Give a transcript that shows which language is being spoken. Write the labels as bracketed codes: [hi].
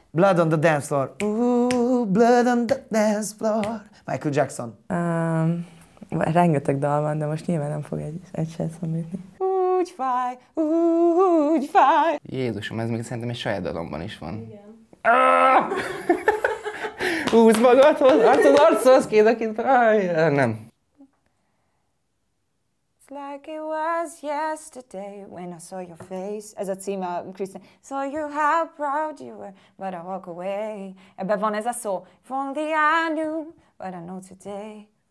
[en] Blood on the dance floor. Ooh, blood on the dance floor. Michael Jackson. [hu] Rengeteg dal van, de most nyilván nem fog egy se szomítni. Úgy fáj, úgy fáj. Jézusom, ez még szerintem egy saját dalomban is van. Igen. Húzd magadhoz, arcod, kéz a kéz. Nem. [en] Like it was yesterday when I saw your face. [hu] Ez a címe, Krisztián. [en] Saw you how proud you were, but I walk away. [hu] Ebben van ez a szó. [en] If only I knew what I know today.